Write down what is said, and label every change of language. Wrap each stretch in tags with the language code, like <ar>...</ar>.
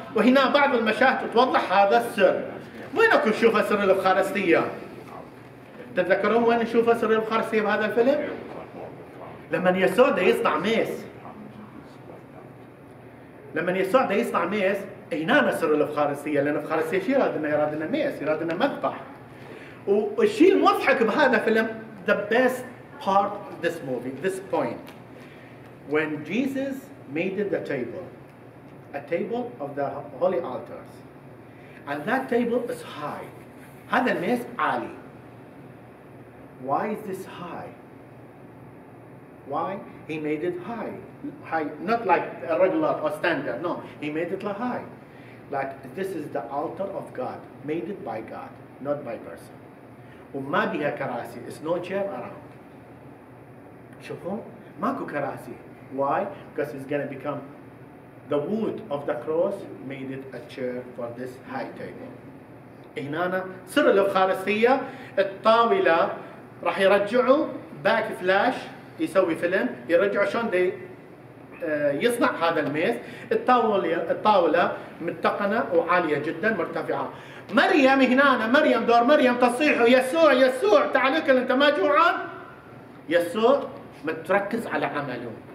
<ar>وهنا بعض المشاهد توضح هذا السر. وينكم تشوفوا سر الأفخارستية؟ تتذكرون وين نشوف سر الأفخارستية بهذا الفيلم؟ لما يسوع ده يصنع ميس، لما يسوع ده يصنع ميس، هنا سر الأفخارستية. لأن الأفخارستية شو يرادنا؟ يرادنا ميس، يرادنا مذبح. والشيء المضحك بهذا الفيلم،</ar> <en>the best part of this movie, this point, when Jesus made the table, a table of the holy altars, and that table is high.</en> <ar>هذا الميس عالي.</ar> <en>Why is this high? Why? He made it high. High, not like a regular or standard. No, he made it high. Like this is the altar of God, made it by God, not by person.</en> <ar>وما بيها كراسي.</ar> <en>It's no chair around.</en> <ar>شوفوا ماكو كراسي.</ar> <en>Why? Because it's going to become the wood of the cross, made it a chair for this high table.</en> <ar>هنا سر الأفخارستية، الطاولة راح يرجعوا باك فلاش يسوي فيلم، يرجع شون دي يصنع هذا الميز. الطاولة متقنة وعالية جدا مرتفعة. مريم هنا، مريم دور مريم تصيح يسوع يسوع تعالك انت ما جوعان؟ يسوع متركز على عمله.</ar>